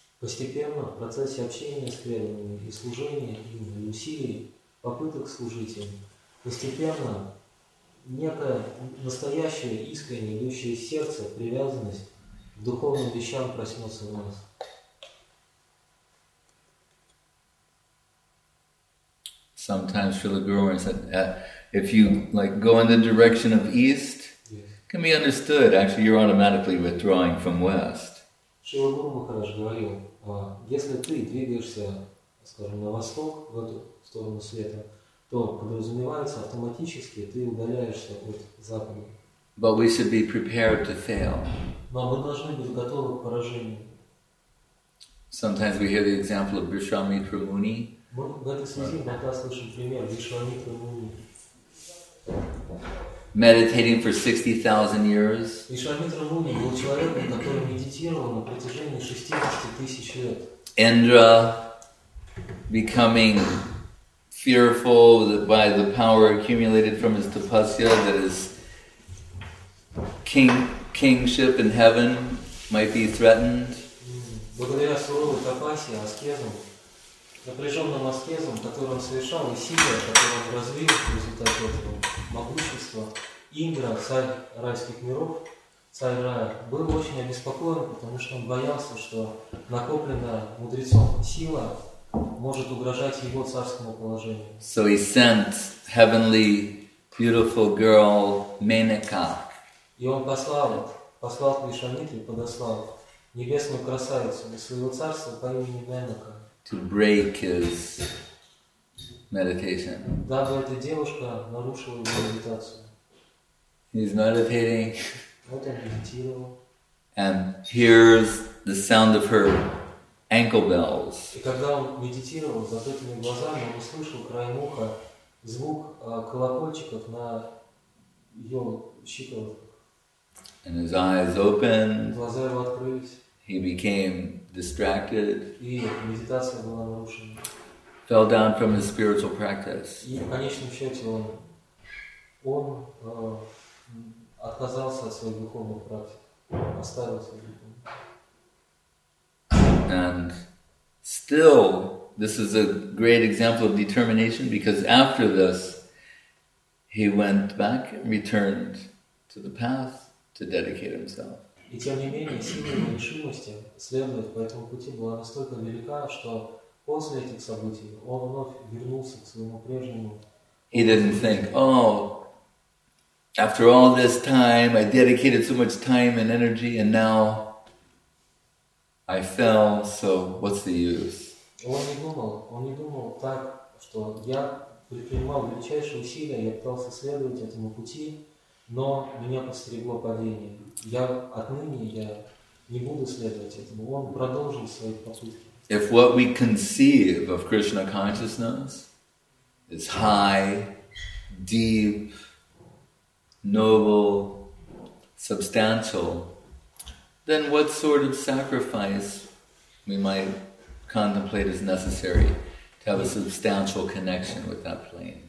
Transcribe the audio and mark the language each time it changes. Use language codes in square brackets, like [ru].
[ru] Постепенно в процессе общения с преданными и служения им и усилий, попыток служить им, постепенно некое настоящее, искреннее, идущее из сердца, привязанность к духовным вещам проснется в нас. [en] Sometimes Srila Guru said, if you like go in the direction of east, yes, can be understood. Actually, you're automatically withdrawing from west. [ru] Шрила Гуру Махарадж говорил, если ты двигаешься, скажем, на восток, в эту сторону света, то подразумевается автоматически, ты удаляешься от запада. [en] But we should be prepared to fail. [ru] Но мы должны быть готовы к поражению. [en] Sometimes we hear the example of Vishwamitra Muni. [ru] Мы в этой связи иногда слышим пример Вишвамитра Муни. [en] Meditating for 60,000 years. [ru] Вишвамитра Муни был человеком, который медитировал на протяжении 60,000 лет. [en] Indra becoming fearful by the power accumulated from his tapasya that his kingship in heaven might be threatened. [ru] Благодаря суровой тапасе, аскезам, напряженным аскезам, которые он совершал, усилия, которые он развил в результате этого могущества, Индра, царь райских миров, царь рая, был очень обеспокоен, потому что он боялся, что накопленная мудрецом сила может угрожать его царскому положению. [en] So he sent heavenly, beautiful girl Menaka. [ru] И он послал к Вишвамитре, подослал небесную красавицу из своего царства по имени Менака. [en] To break his meditation. [ru] Дабы эта девушка нарушила его медитацию. [en] He's meditating. [ru] Вот он медитировал. [en] And hears the sound of her ankle bells. [ru] И когда он медитировал, с закрытыми глазами, он услышал краем уха звук колокольчиков на ее щиколотках. [en] And his eyes opened. [ru] Глаза его открылись. [en] He became distracted. [ru] И медитация была нарушена. [en] Fell down from his spiritual practice. [ru] И в конечном счете он отказался от своих духовных практик, оставил свои духовные. [en] And still, this is a great example of determination, because after this, he went back and returned to the path to dedicate himself. [ru] И тем не менее, сила его решимости следовать по этому пути была настолько велика, что после этих событий он вновь вернулся к своему прежнему. [en] He didn't think, oh, after all this time, I dedicated so much time and energy, and now I fell, so what's the use? [ru] Он не думал так, что я предпринимал величайшие усилия, я пытался следовать этому пути, но меня подстерегло падение. Я отныне я не буду следовать этому. Он продолжил свои попытки. [en] If what we conceive of Krishna consciousness is high, deep, noble, substantial, then what sort of sacrifice we might contemplate is necessary to have a substantial connection with that plane?